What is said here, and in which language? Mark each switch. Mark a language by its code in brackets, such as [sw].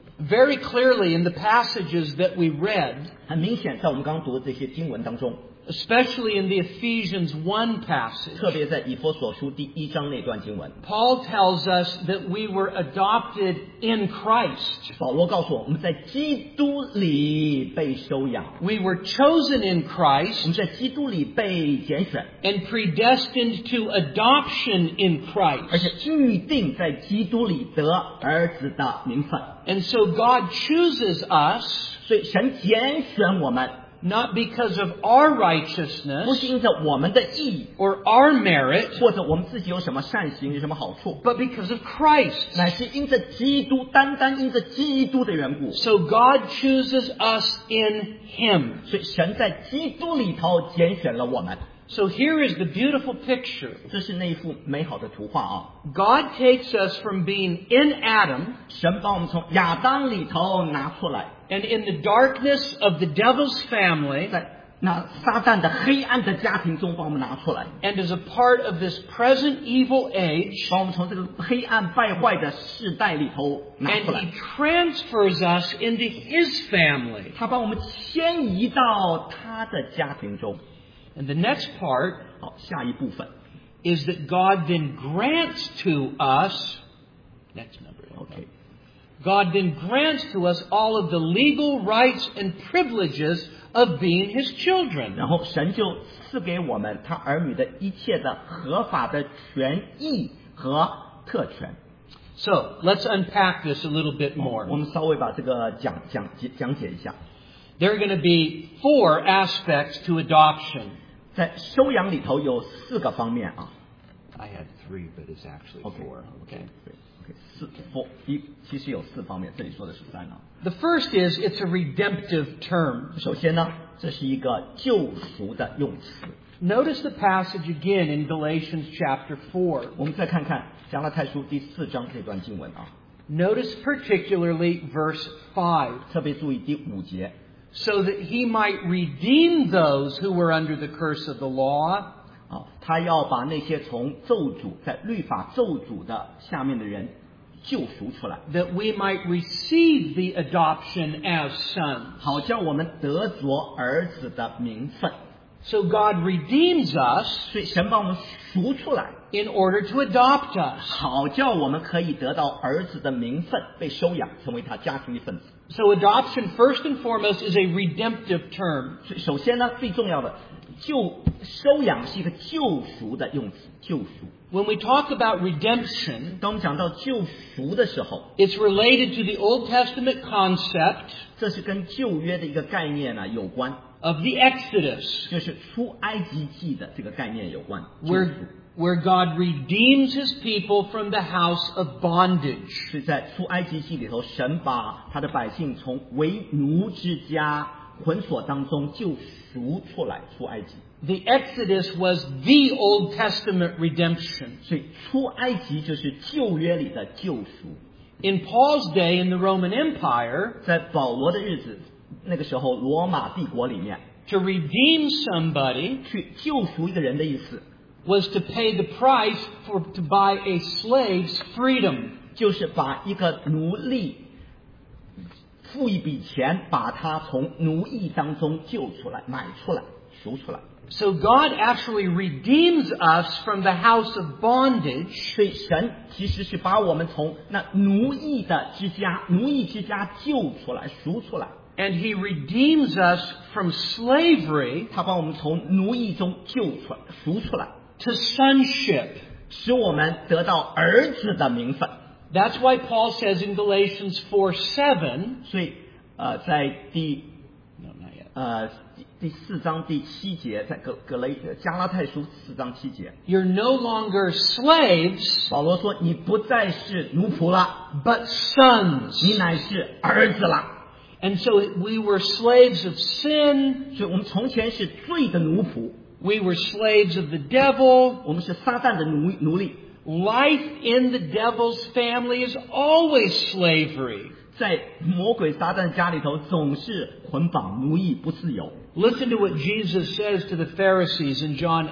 [en] Very clearly in the passages that we read, [zh] 很明显在我们刚读的这些经文当中， [en] especially in the Ephesians 1 passage, [zh] 特别在以弗所书第一章那段经文， [en] Paul tells us that we were adopted in Christ. [zh] 保罗告诉我，我们在基督里被收养。 [en] We were chosen in Christ, [zh] 我们在基督里被拣选。 [en] And predestined to adoption in Christ, [zh] 而且预定在基督里得儿子的名分。 [en] And so God chooses us, [zh] 所以神拣选我们， [en] not because of our righteousness, [zh] 不是因着我们的义， [en] or our merit, [zh] 或者我们自己有什么善行，有什么好处， [en] but because of Christ, [zh] 乃是因着基督，单单因着基督的缘故。 [en] So God chooses us in Him, [zh] 所以神在基督里头拣选了我们。 [en] So here is the beautiful picture. [zh] 这是那一幅美好的图画啊。 [en] God takes us from being in Adam, [zh] 神把我们从亚当里头拿出来。 [en] And in the darkness of the devil's family, [zh] 在那撒旦的黑暗的家庭中把我们拿出来。 [en] And as a part of this present evil age, [zh] 把我们从这个黑暗败坏的世代里头拿出来。 [en] And he transfers us into his family. [zh] 他把我们迁移到他的家庭中。 [en] And the next part, [zh] 好，下一部分, [en] is that God then grants to us, next number, okay. God then grants to us all of the legal rights and privileges of being his children. [zh] 然后神就赐给我们他儿女的一切的合法的权益和特权。 [en] So, let's unpack this a little bit more. [zh] 我们稍微把这个讲解一下。 [en] There are going to be four aspects to adoption. [zh] 在收养里头有四个方面啊。 [en] I had three, but it's actually four. Okay. Okay. Okay. [zh] 其实有四方面，这里说的是三啊。 [en] The first is, it's a redemptive term. [zh] 首先呢，这是一个救赎的用词。 [en] Notice the passage again in Galatians chapter 4. [zh] 我们再看看加拉太书第四章这段经文啊。 [en] Notice particularly verse 5. [zh] 特别注意第五节。 [en] So that he might redeem those who were under the curse of the law. [zh] 他要把那些从咒诅，在律法咒诅的下面的人救赎出来。 [en] That we might receive the adoption as sons. [zh] 好叫我们得着儿子的名分。 [en] So God redeems us. [zh] 所以神把我们赎出来。 [en] In order to adopt us. [zh] 好叫我们可以得到儿子的名分，被收养，成为他家庭一份子。 [en] So adoption, first and foremost, is a redemptive term. [zh] 首先呢，最重要的，收养是一个救赎的用词，救赎。 [en] When we talk about redemption, [zh] 当我们讲到救赎的时候， [en] it's related to the Old Testament concept, [zh] 这是跟旧约的一个概念呢，有关。 [en] Of the Exodus, [zh] 就是出埃及记的这个概念有关。 [en] Where God redeems his people from the house of bondage. [zh] 是在出埃及记里头，神把他的百姓从为奴之家捆锁当中救赎出来，出埃及。 [en] The Exodus was the Old Testament redemption. [zh] 所以出埃及就是旧约里的救赎。 [en] In Paul's day in the Roman Empire, [zh] 在保罗的日子，那个时候罗马帝国里面， [en] to redeem somebody, [zh] 去救赎一个人的意思。 [en] Was to pay the price for to buy a slave's freedom. [zh] 就是把一个奴隶付一笔钱，把他从奴役当中救出来，买出来，赎出来。 [en] So God actually redeems us from the house of bondage. [zh] 所以神其实是把我们从那奴役的之家，奴役之家救出来，赎出来。 [en] And he redeems us from slavery. [zh] 他把我们从奴役中救出来，赎出来。 [en] To sonship, [zh] 使我们得到儿子的名分。 [en] That's why Paul says in Galatians 4:7, [zh] 所以在第 [en] no, not yet. [zh] 第四章第七节，在加拉太书四章七节。 [en] You're no longer slaves, [zh] 保罗说你不再是奴仆了。 [en] But sons, [zh] 你乃是儿子了。 [en] And so we were slaves of sin, [zh] 所以我们从前是罪的奴仆。 [en] We were slaves of the devil. Life in the devil's family is always slavery. Listen to what Jesus says to the Pharisees in John